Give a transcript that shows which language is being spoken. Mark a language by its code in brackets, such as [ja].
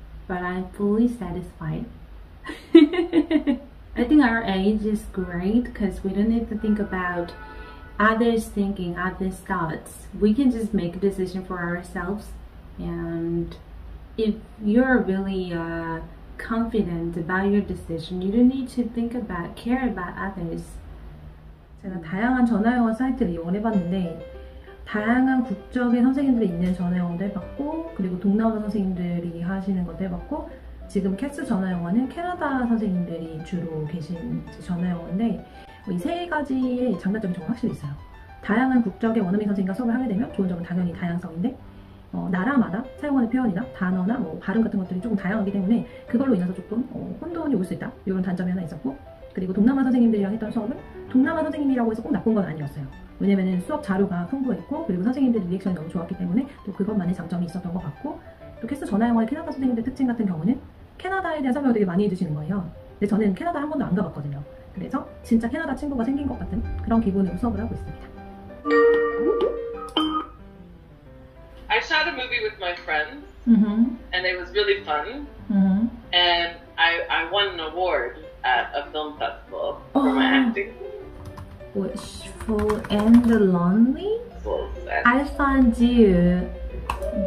[en] But I'm fully satisfied. I think our age is great because we don't need to think about others thinking, others' thoughts. We can just make a decision for ourselves. And if you're really confident about your decision, you don't need to think about, care about others. [ko] 제가 다양한 전화영어 사이트를 이용해봤는데 다양한 국적의 선생님들이 있는 전화영어도 해봤고 그리고 동남아 선생님들이 하시는 것도 해봤고 지금 캐스 전화영어는 캐나다 선생님들이 주로 계신 전화영어인데 이 세 가지의 장단점이 정말 확실히 있어요. 다양한 국적의 원어민 선생님과 수업을 하게 되면 좋은 점은 당연히 다양성인데 나라마다 사용하는 표현이나 단어나 뭐 발음 같은 것들이 조금 다양하기 때문에 그걸로 인해서 조금 혼돈이 올 수 있다 이런 단점이 하나 있었고 그리고 동남아 선생님들이랑 했던 수업은 동남아 선생님이라고 해서 꼭 나쁜 건 아니었어요. 왜냐면은 수업 자료가 풍부했고 그리고 선생님들 리액션이 너무 좋았기 때문에 또 그것만의 장점이 있었던 것 같고 또 캐스 전화영어의 캐나다 선생님들 특징 같은 경우는 캐나다에 대한 설명을 되게 많이 해주시는 거예요. 근데 저는 캐나다 한 번도 안 가봤거든요. 그래서 진짜 캐나다 친구가 생긴 것 같은 그런 기분으로 수업을 하고 있습니다. [en] I shot a movie with my friends, and it was really fun, and I won an award at a film festival for my acting. Wishful and the Lonely? Wishful and the Lonely.